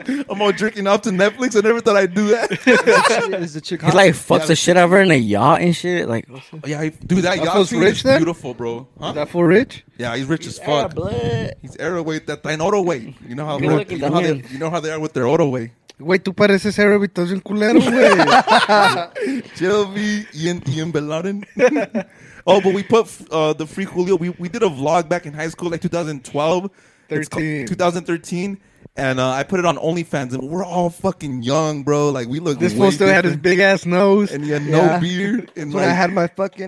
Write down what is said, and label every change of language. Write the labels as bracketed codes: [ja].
[en] I'm all jerking off to Netflix. I never thought I'd do that. Is the chick hot? He like fucks the shit out of her in a yacht and shit. Like, yeah, dude, that yacht rich is beautiful, bro. Huh? Is that full rich? Yeah, he's rich as fuck. He's Arab weight. That thine auto weight. You know how they are with their auto weight. [es] Güey, tú pareces árabe y estás bien culero, güey. [en] Shelby, Ian Beladen. Oh, but we put the free Julio. We did a vlog back in high school, like 2012. 2013. And I put it on OnlyFans, and we're all fucking young, bro. Like, we look. This fool still had his big ass nose. And he had no beard. And when I had my fucking.